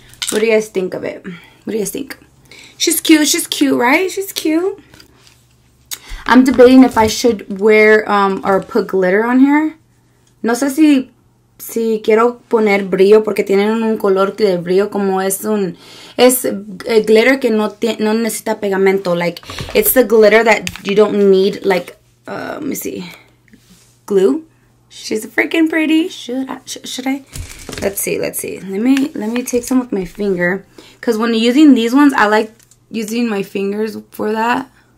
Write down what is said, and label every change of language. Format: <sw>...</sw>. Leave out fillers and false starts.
<en>What do you guys think of it? What do you guys think? She's cute. She's cute, right? She's cute. I'm debating if I should wear or put glitter on here.</en> <es>No sé si quiero poner brillo porque tienen un color de brillo como es un... Es glitter que no necesita pegamento.</es> <en>Like, it's the glitter that you don't need, like, let me see. Glue. She's freaking pretty. Should I? Let's see. Let me take some with my finger. Because when using these ones, I like using my fingers for that.</en>